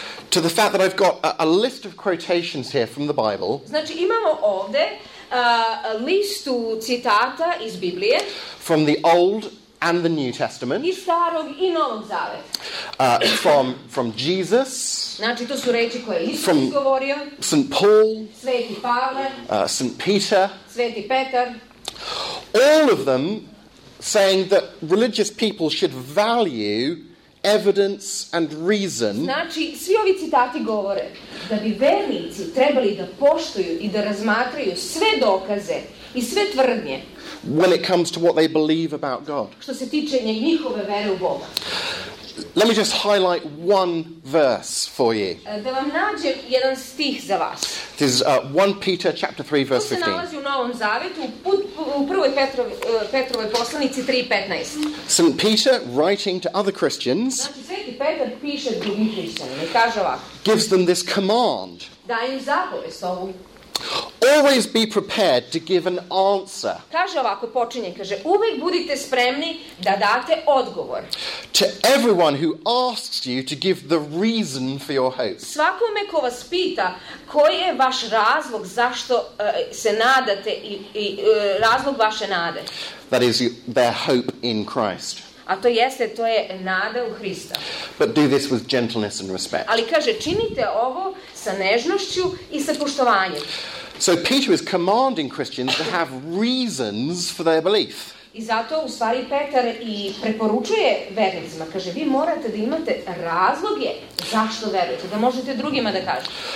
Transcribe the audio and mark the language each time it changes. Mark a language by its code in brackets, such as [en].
[en] To the fact that I've got a list of quotations here from the Bible. [sr] Znači imamo ovde listu citata iz Biblije. [en] From the Old and the New Testament. [sr] Iz Starog i Novog Zaveta. [en] From Jesus. [sr] Znači to su reči koje Isus govorio. [en] St. Paul. [sr] Sveti Pavle. [en] St. Peter. [sr] Sveti Petar. [en] All of them saying that religious people should value evidence and reason. [sr] Znači, svi ovi citati govore da bi vernici trebali da poštuju i da razmatraju sve dokaze i sve tvrdnje. [en] When it comes to what they believe about God. [sr] Što se tiče njihove vere u Boga. [en] Let me just highlight one verse for you. [sr] Da vam nađem jedan stih za vas. [en] This is 1 Peter chapter 3 verse 15. [sr] To se nalazi u Novom Zavetu, u prvoj Petrovoj poslanici 3:15. [en] St. Peter, writing to other Christians, [sr] znači, Sveti Petar piše drugim hrišćanima, kaže ovako. [en] Gives them this command. [sr] Da im zapovest ovu. [en] Always be prepared to give an answer. [sr] Kaže ovako, počinje, kaže, uvek budite spremni da date odgovor. [en] To everyone who asks you to give the reason for your hope. [sr] Svakome ko vas pita koji je vaš razlog zašto se nadate i razlog vaše nade. [en] That is their hope in Christ. [sr] A to jeste, to je nada u Hrista. [en] But do this with gentleness and respect. [sr] Ali kaže, činite ovo sa nežnošću i sa poštovanjem. [en] So Peter is commanding Christians to have reasons for their belief. [sr] I zato u stvari Petar I preporučuje vernicima, kaže vi morate da imate razloge zašto verujete, da možete drugima da kažete.